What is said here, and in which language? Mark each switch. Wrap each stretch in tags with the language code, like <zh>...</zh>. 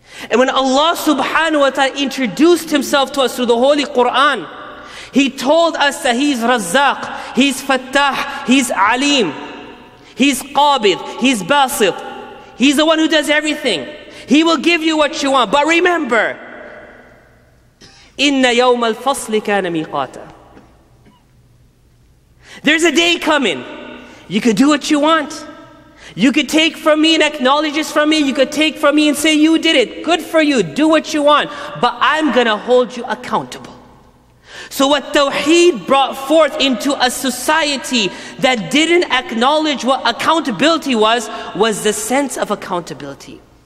<en>And when Allah subhanahu wa ta'ala introduced Himself to us through the Holy Quran, He told us that He's Razzaq, He's Fattah, He's Alim, He's Qabid, He's Basit. He's the one who does everything. He will give you what you want. But remember,</en> <ar>إِنَّ يَوْمَ الْفَصْلِ كَانَ مِيقَاتًا.</ar> <en>There's a day coming. You could do what you want. You could take from me and acknowledge this from me. You could take from me and say, you did it. Good for you. Do what you want. But I'm going to hold you accountable. So what Tawheed brought forth into a society that didn't acknowledge what accountability was the sense of accountability.</en>